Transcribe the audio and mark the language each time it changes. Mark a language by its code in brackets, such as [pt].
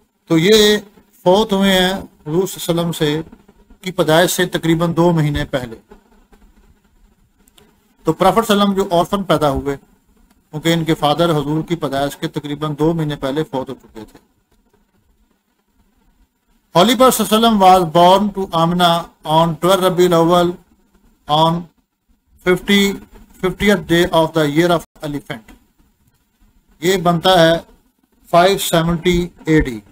[hi] तो ये फौत हुए हैं रूस सलम से की पैदाइश से तकरीबन 2 महीने पहले. तो प्रॉफिट सलम जो ऑर्फन पैदा हुए, क्योंकि इनके फादर हजूर की पैदाइश के तकरीबन 2 महीने पहले फौत हो चुके थे. [en] Holy Prophet ﷺ was born to Amina on 12 Rabiul Awal on 50th day of the year of elephant. [hi] ये बनता है 570 AD.